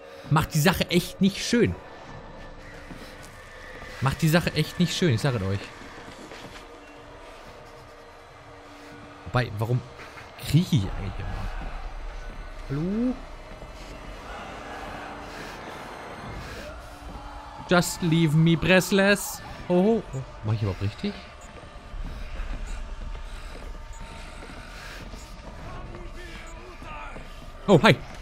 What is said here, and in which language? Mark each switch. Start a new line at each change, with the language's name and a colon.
German: Macht die Sache echt nicht schön. Macht die Sache echt nicht schön, ich sage es euch. Wobei, warum kriege ich eigentlich immer? Hallo?
English: Just leave me breathless. Oh, oh.
German: Mach ich überhaupt richtig?
English: Oh, hi.